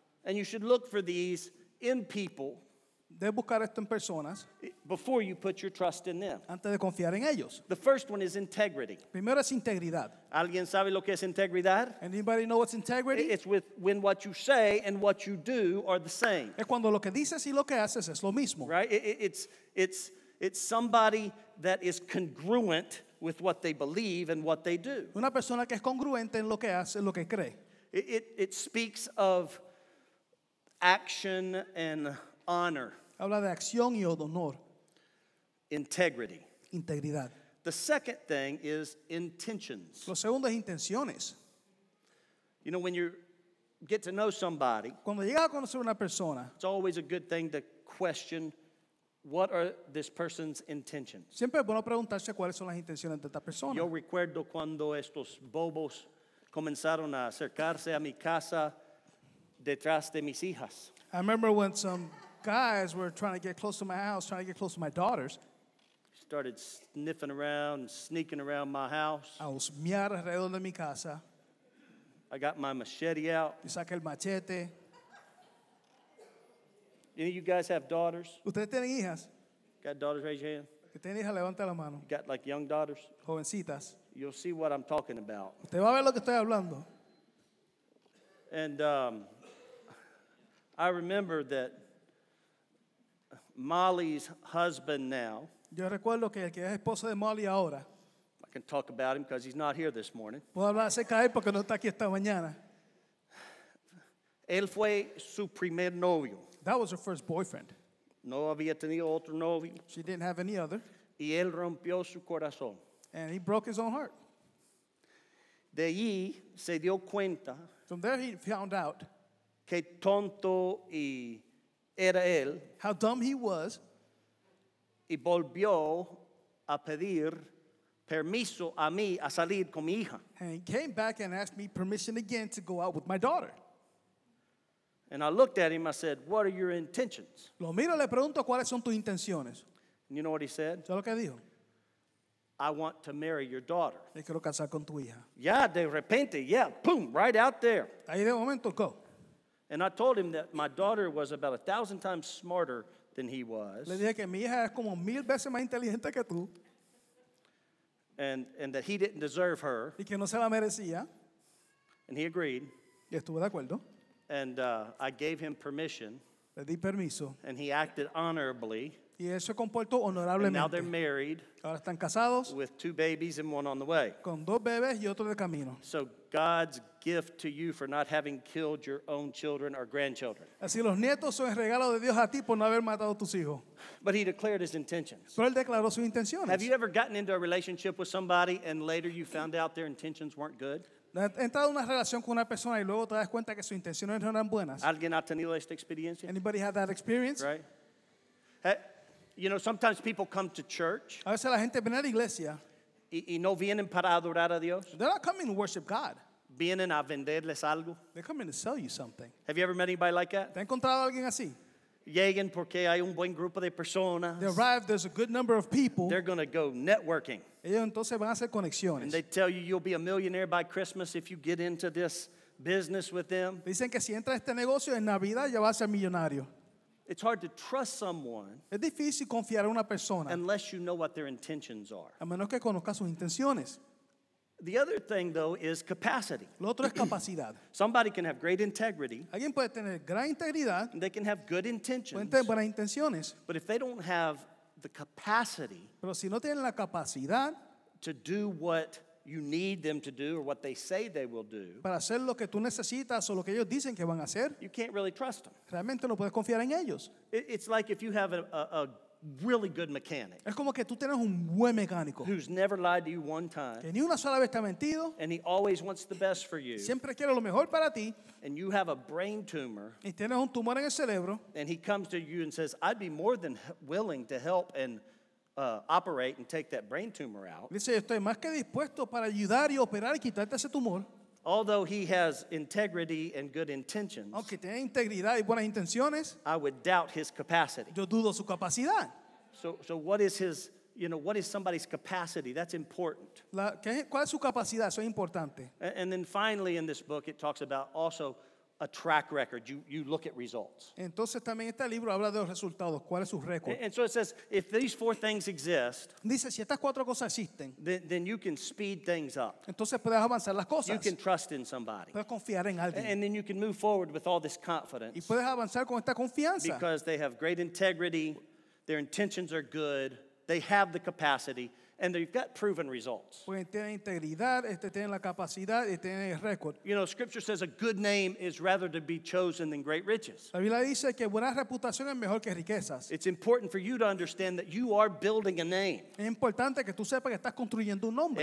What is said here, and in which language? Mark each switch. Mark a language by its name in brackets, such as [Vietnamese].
[English] And you should look for these in people. [Spanish] Debes buscar esto en personas. [English] Before you put your trust in them. [Spanish] Antes de confiar en ellos. [English] The first one is integrity. [Spanish] Primero es integridad. ¿Alguien sabe lo que es integridad? [English] Anybody know what's integrity? It's with when what you say and what you do are the same. [Spanish] Es cuando lo que dices y lo que haces es lo mismo. [English] Right? It's somebody that is congruent with what they believe and what they do. [Spanish] Una persona que es congruente en lo que hace, en lo que cree. [English] It speaks of action and honor. [Spanish] Habla de acción y honor. [English] Integrity. [Spanish] Integridad. [English] The second thing is intentions. [Spanish] Lo segundo es intenciones. [English] You know, when you get to know somebody, [Spanish] cuando llegas a conocer una persona, [English] it's always a good thing to question, what are this person's intentions? [Spanish] Siempre es bueno preguntarse cuáles son las intenciones de esta persona. Yo recuerdo cuando estos bobos comenzaron a acercarse a mi casa detrás de mis hijas. [English] I remember when some guys were trying to get close to my house, trying to get close to my daughters. Started sniffing around, sneaking around my house. [Spanish] A husmear alrededor de mi casa. [English] I got my machete out. [Spanish] Y saqué el machete. [English] Any of you guys have daughters? [Spanish] ¿Ustedes tienen hijas? [English] Got daughters, raise your hand. [Spanish] ¿Que tienen hija? Levanta la mano. [English] Got like young daughters? [Spanish] Jovencitas. [English] You'll see what I'm talking about. [Spanish] ¿Usted va a ver lo que estoy hablando? [English] And I remember that Molly's husband now. [Spanish] Yo recuerdo que el que es esposo de Molly ahora. [English] can talk about him because he's not here this morning. [Spanish] Puedo hablar acerca de él porque no está aquí esta mañana. Él fue su primer novio. [English] That was her first boyfriend. [Spanish] No había tenido otro novio. [English] She didn't have any other. [Spanish] Y él rompió su corazón. [English] And he broke his own heart. [Spanish] De allí se dio cuenta. [English] From there he found out. [Spanish] Qué tonto y era él. [English] How dumb he was. [Spanish] Y volvió a pedir permiso a mí a salir con mi hija. [English] And he came back and asked me permission again to go out with my daughter. And I looked at him, I said, what are your intentions? [Spanish] Lo miro, le pregunto, ¿cuáles son tus intenciones? [English] And you know what he said? [Spanish] ¿Sabes lo que dijo? [English] I want to marry your daughter. [Spanish] Me quiero casar con tu hija. [English] Yeah, [Spanish] de repente, [English] yeah, boom, right out there. [Spanish] Ahí de momento, go. [English] And I told him that my daughter was about 1,000 times smarter than he was. [Spanish] Le dije que mi hija es como 1,000 veces más inteligente que tú. [English] And that he didn't deserve her. [Spanish] Y que no se la merecía. [English] And he agreed. [Spanish] Y estuvo de acuerdo. [English] And I gave him permission. [Spanish] Le di permiso. [English] And he acted honorably. [Spanish] Y él se comportó honorablemente. [English] And now they're married. [Spanish] Ahora están casados. [English] With two babies and one on the way. [Spanish] Con dos bebés y otro de camino. [English] So God's gift to you for not having killed your own children or grandchildren. [Spanish] Así los nietos son el regalo de Dios a ti por no haber matado a tus hijos. [English] But he declared his intentions. [Spanish] Pero él declaró sus intenciones. [English] Have you ever gotten into a relationship with somebody and later you found out their intentions weren't good? [Spanish] He entrado en una relación con una persona y luego te das cuenta que sus intenciones no eran buenas. ¿Alguien ha tenido esta experiencia? [English] Anybody had that experience? Right. Hey, you know, sometimes people come to church. [Spanish] A veces la gente viene a la iglesia. Y no vienen para adorar a Dios. [English] They're not coming to worship God. [Spanish] Vienen a venderles algo. [English] They're coming to sell you something. Have you ever met anybody like that? [Spanish] ¿Te has encontrado a alguien así? Llegan porque hay un buen grupo de personas. [English] They arrive, there's a good number of people. They're going to go networking. [Spanish] Ellos entonces van a hacer conexiones. [English] And they tell you you'll be a millionaire by Christmas if you get into this business with them. [Spanish] Dicen que si entras a este negocio en Navidad ya vas a ser millonario. [English] It's hard to trust someone. [Spanish] Es difícil confiar en una persona. [English] Unless you know what their intentions are. [Spanish] A menos que conozcas sus intenciones. [English] The other thing, though, is capacity. [Spanish] Lo otro es capacidad. [English] Somebody can have great integrity. [Spanish] Alguien puede tener gran integridad. [English] They can have good intentions. [Spanish] Pueden tener buenas intenciones. [English] But if they don't have the capacity. [Spanish] Pero si no tienen la capacidad. [English] To do what you need them to do or what they say they will do. [Spanish] Para hacer lo que tú necesitas o lo que ellos dicen que van a hacer. [English] You can't really trust them. [Spanish] Realmente no puedes confiar en ellos. [English] It's like if you have a really good mechanic. [Spanish] Es como que tú tienes un buen mecánico. [English] Who's never lied to you one time. [Spanish] Que ni una sola vez te ha mentido. [English] And he always wants the best for you. [Spanish] Siempre quiere lo mejor para ti. [English] And you have a brain tumor. [Spanish] Y tienes un tumor en el cerebro. [English] And he comes to you and says, I'd be more than willing to help and operate and take that brain tumor out. [Spanish] Dice, estoy más que dispuesto para ayudar y operar y quitarte ese tumor. [English] Although he has integrity and good intentions, [Spanish] aunque tiene integridad y buenas intenciones, [English] I would doubt his capacity. [Spanish] Yo dudo su capacidad. [English] So what is his, you know, what is somebody's capacity? That's important. [Spanish] ¿Cuál es su capacidad? Eso es importante. [English] And then finally in this book it talks about also a track record. You look at results. [Spanish] Entonces también este libro habla de los resultados. ¿Cuál es su récord? [English] And so it says, if these four things exist, [Spanish] dice, si estas cuatro cosas existen, [English] then you can speed things up. [Spanish] Entonces puedes avanzar las cosas. [English] You can trust in somebody. [Spanish] Puedes confiar en alguien. [English] And then you can move forward with all this confidence. [Spanish] Y puedes avanzar con esta confianza. [English] Because they have great integrity, their intentions are good, they have the capacity, and they've got proven results. [Spanish] Pueden tener integridad, tienen la capacidad y tienen el récord. [English] You know, Scripture says a good name is rather to be chosen than great riches. [Spanish] La Biblia dice que buena reputación es mejor que riquezas. [English] It's important for you to understand that you are building a name. [Spanish] Es importante que tú sepas que estás construyendo un nombre.